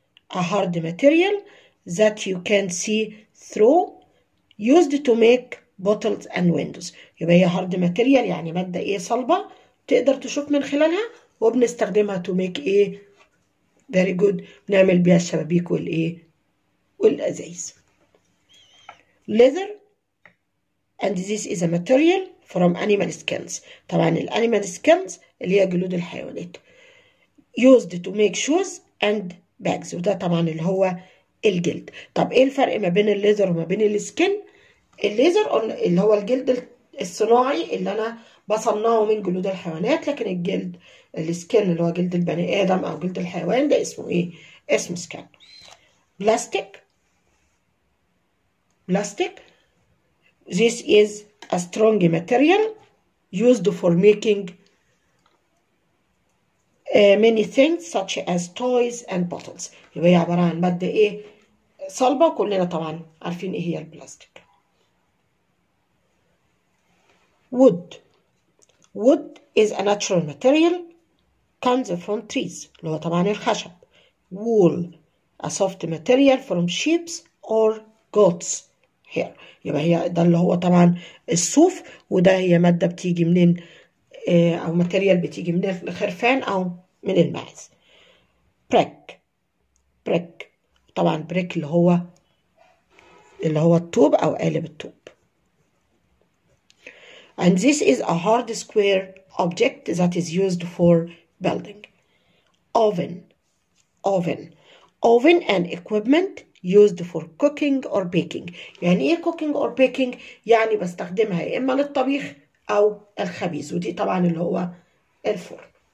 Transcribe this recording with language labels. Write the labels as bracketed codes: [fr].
[en] A hard material that you can see through used to make bottles and windows. [ar] يبقى هي [en] hard material [ar] يعني مادة إيه صلبة تقدر تشوف من خلالها وبنستخدمها [en] to make [ar] إيه [en] very good [ar] بنعمل بيها الشبابيك والإيه والأزايز. [en] Leather and this is a material from animal skins. [ar] طبعا ال [en] animal skins [ar] اللي هي جلود الحيوانات [en] used to make shoes and bags [ar] وده طبعا اللي هو الجلد. طب إيه الفرق ما بين الليذر وما بين السكن؟ الليزر اللي هو الجلد الصناعي اللي انا بصنعه من جلود الحيوانات، لكن الجلد السكن اللي هو جلد البني ادم او جلد الحيوان ده اسمه ايه؟ اسمه سكن. بلاستيك. بلاستيك. [en] This is a strong material used for making many things such as toys and bottles. [ar] يبقى هي عباره عن ماده ايه؟ صلبه، وكلنا طبعا عارفين ايه هي البلاستيك. [en] Wood. Wood is a natural material comes from trees. [ar] اللي هو طبعا الخشب. [en] Wool. A soft material from sheep's or goat's hair. [ar] يبقى هي ده اللي هو طبعا الصوف، وده هي مادة بتيجي منين أو material بتيجي من الخرفان أو من الماعز. [en] Brick. Brick. [ar] طبعا brick اللي هو الطوب أو قالب الطوب. [en] And this is a hard square object that is used for building. Oven. Oven. Oven and equipment used for cooking or baking. [ar] يعني ايه [en] cooking or baking؟ [ar] يعني بستخدمها يا اما للطبيخ او الخبيز، ودي طبعا اللي هو الفرن.